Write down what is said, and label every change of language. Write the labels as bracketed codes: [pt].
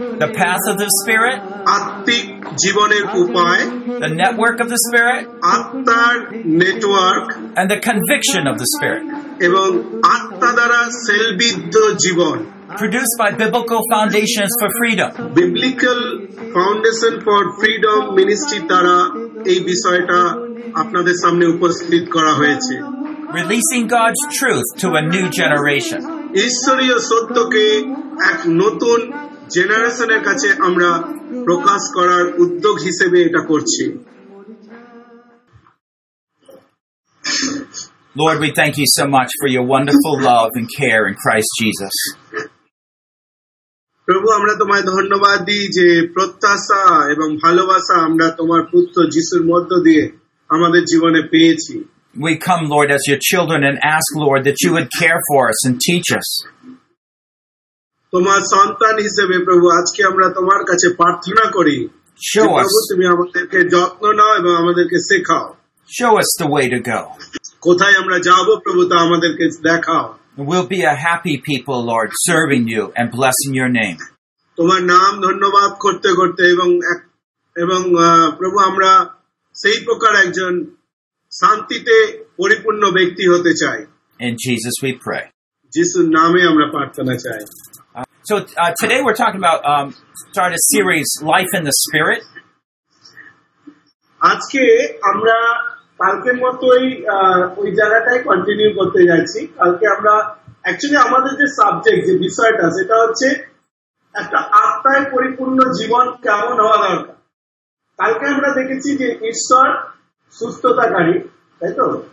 [en] The path of the Spirit. [bn] আত্মিক জীবনের উপায়. [en] The network of the Spirit. [bn] আত্মার network. [en] And the conviction of the Spirit. [bn] এবং আত্মা দ্বারা সেলবিদ্ধ জীবন. [en] Produced by Biblical Foundations for Freedom. [bn] Biblical Foundation for Freedom Ministry দ্বারা এই বিষয়টা আপনাদের সামনে উপস্থিত করা হয়েছে. [en] Releasing God's truth to a new generation. [bn] ঈশ্বরীয় সত্যকে এক নতুন জেনারেশনের কাছে আমরা প্রকাশ করার উদ্যোগ হিসেবে এটা করছি. [en] Lord, we thank you so much for your wonderful love and care in Christ Jesus. [bn] প্রভু আমরা তোমায় ধন্যবাদ দিই যে প্রত্যাশা এবং ভালোবাসা আমরা তোমার পুত্র যিশুর মধ্য দিয়ে আমাদের জীবনে পেয়েছি. [en] We come, Lord, as your children and ask, Lord, that you would care for us and teach us. [bn] তোমার সন্তান হিসেবে প্রভু আজকে আমরা তোমার কাছে প্রার্থনা করি তুমি আমাদেরকে যত্ন নাও এবং আমাদেরকে শেখাও. [en] Show us the way to go. [bn] কোথায় আমরা যাব প্রভু তা আমাদেরকে দেখাও. [en] We'll be a happy people, Lord, serving you and blessing your name. [bn] তোমার নাম ধন্যবাদ করতে করতে এবং প্রভু আমরা সেই প্রকার একজন শান্তিতে পরিপূর্ণ ব্যক্তি হতে চাই. [en] In Jesus we pray. [bn] যিশুর নামে আমরা প্রার্থনা চাই. [en] So today we're talking about start a series Life in the Spirit. [bn] আজকে আমরা কালকের মতই ওই জায়গাটাই কন্টিনিউ করতে যাচ্ছি. কালকে আমরা অ্যাকচুয়ালি আমাদের যে সাবজেক্ট যে বিষয়টা সেটা হচ্ছে একটা আত্মায় পরিপূর্ণ জীবন কেমন হওয়া দরকার. কালকে আমরা দেখেছি যে ঈশ্বর সুস্থতাকারী, তাই তো?